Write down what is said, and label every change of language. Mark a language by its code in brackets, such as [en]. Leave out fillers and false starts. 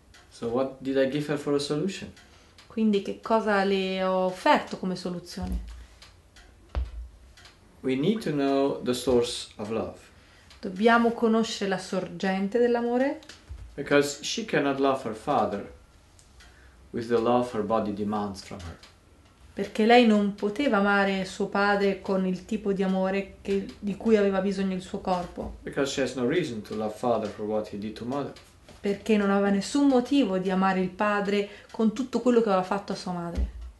[en] So what did I give her for a solution? [it] Quindi che cosa le ho offerto come soluzione? [en] We need to know the source of love. [it] Dobbiamo conoscere la sorgente dell'amore? [en] Because she cannot love her father with the love her body demands from her. [it] Perché lei non poteva amare suo padre con il tipo di amore di cui aveva bisogno il suo corpo. [en] Because she has no reason to love father for what he did to mother. [it] Perché non aveva nessun motivo di amare il padre con tutto quello che aveva fatto a sua madre.